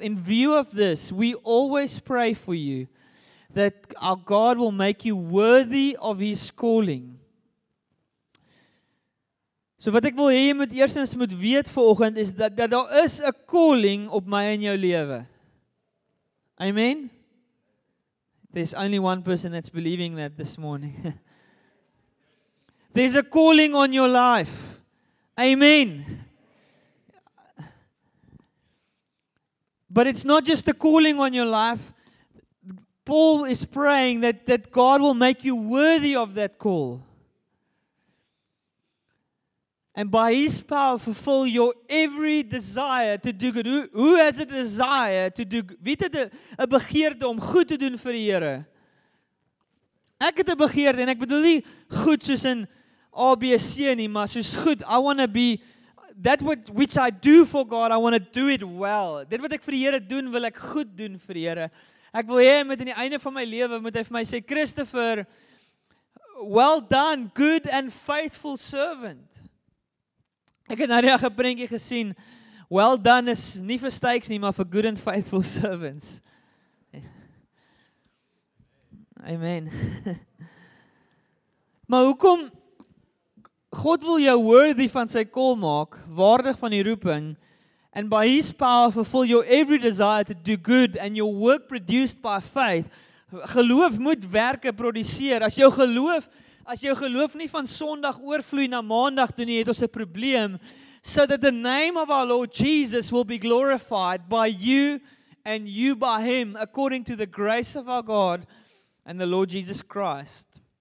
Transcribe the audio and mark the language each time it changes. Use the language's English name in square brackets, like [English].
[English] In view of this, we always pray for you that our God will make you worthy of his calling. [Afrikaans] So wat ek wil hê jy moet eerstens moet weet vanoggend is dat daar is 'n calling op my en jou lewe. [English] Amen. There's only one person that's believing that this morning. There's a calling on your life. Amen. But it's not just a calling on your life. Paul is praying that God will make you worthy of that call. And by his power fulfill your every desire to do good. Who has a desire to do good? [Afrikaans] Wie het 'n begeerte om goed te doen vir die Here? Ek het 'n begeerte en ek bedoel nie goed soos in A, B, C nie, maar soos goed. [English] I want to be that which I do for God, I want to do it well. [Afrikaans] Dit wat ek vir die Here doen, wil ek goed doen vir die Here. Ek wil hê met aan die einde van my lewe moet hy vir my sê, Christopher, [English] well done, good and faithful servant. [Afrikaans] Ek het nou die geprentjie gesien, [English] well done [Afrikaans] is nie vir stakes nie, maar vir [English] good and faithful servants. Amen. [Afrikaans] Maar hoekom, God wil jou worthy van sy call maak, waardig van die roeping, [English] and by his power fulfill your every desire to do good, and your work produced by faith. [Afrikaans] Geloof moet werke produseer. As jou geloof nie van Sondag oorvloei na Maandag toe nie, het ons 'n probleem. [English] So that the name of our Lord Jesus will be glorified by you and you by him, according to the grace of our God and the Lord Jesus Christ.